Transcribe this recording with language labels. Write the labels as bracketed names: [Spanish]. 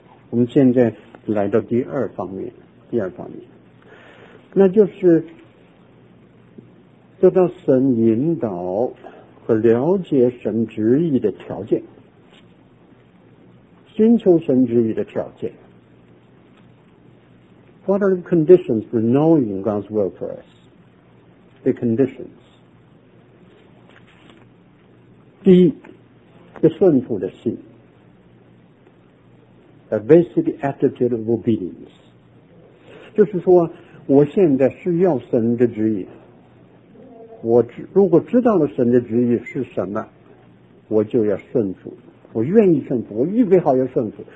[Chinese] 我们现在来到第二方面，第二方面那就是得到神引导和了解神旨意的条件，寻求神旨意的条件。 [English] What are the conditions for knowing God's will for us? [Chinese] The conditions，第一，是顺服的心 ， [English] a basic attitude of obedience， [Chinese] 就是说，我现在需要神的旨意，我如果知道了神的旨意是什么，我就要顺服，我愿意顺服，我预备好要顺服。